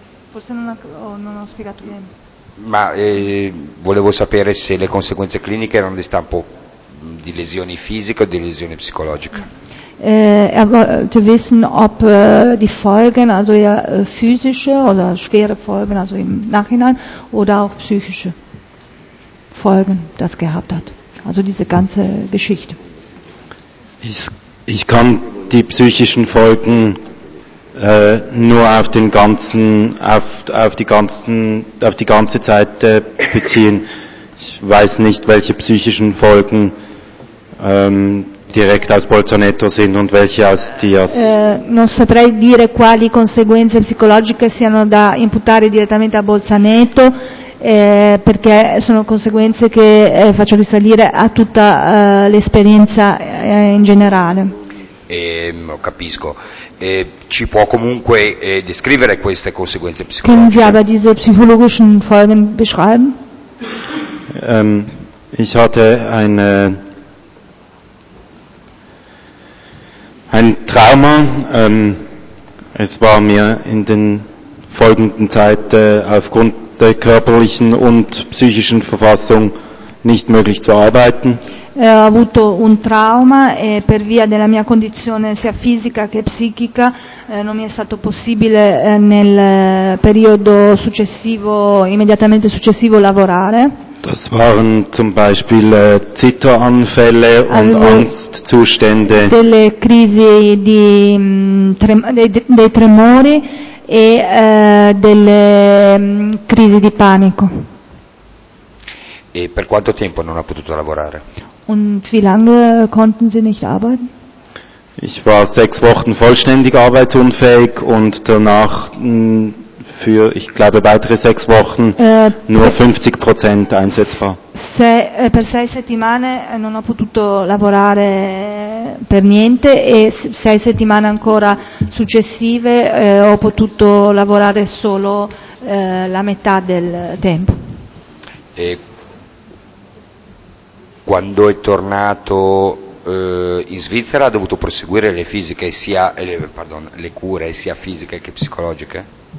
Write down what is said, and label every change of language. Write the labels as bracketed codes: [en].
[it] Forse non ho spiegato bene. Ma volevo sapere se le conseguenze cliniche erano di stampo di lesioni fisiche o di lesioni psicologiche. [de] Er wollte wissen, ob die Folgen, also ja, physische oder schwere Folgen, also im Nachhinein, oder auch psychische Folgen das gehabt hat. Also diese ganze Geschichte. Ich kann die psychischen Folgen nur auf die ganze Zeit beziehen. Ich weiß nicht, welche psychischen Folgen direkt aus Bolzaneto sind und welche aus Dias. [it] Non saprei dire quali conseguenze psicologiche siano da imputare direttamente a Bolzaneto, perché sono conseguenze che faccio risalire a tutta l'esperienza in generale. Capisco. Ci può comunque descrivere queste conseguenze psicologiche? [de] Können Sie aber diese psychologischen Folgen beschreiben? Ich hatte ein Trauma, es war mir in den folgenden Zeit aufgrund der körperlichen und psychischen Verfassung nicht möglich zu arbeiten. [it] Ho avuto un trauma e per via della mia condizione sia fisica che psichica non mi è stato possibile nel periodo successivo, immediatamente successivo, lavorare. [de] Das waren zum Beispiel Zitteranfälle und Angstzustände. [it] Delle crisi di dei tremori e delle crisi di panico. E per quanto tempo non ha potuto lavorare? [de] Und wie lange konnten Sie nicht arbeiten? Ich war 6 Wochen vollständig arbeitsunfähig und danach für, ich glaube, weitere 6 Wochen nur 50% einsetzbar. [it] Per 6 settimane non ho potuto lavorare per niente e 6 settimane ancora successive ho potuto lavorare solo la metà del tempo. E quando è tornato in Svizzera ha dovuto proseguire le fisiche sia le cure sia fisiche che psicologiche?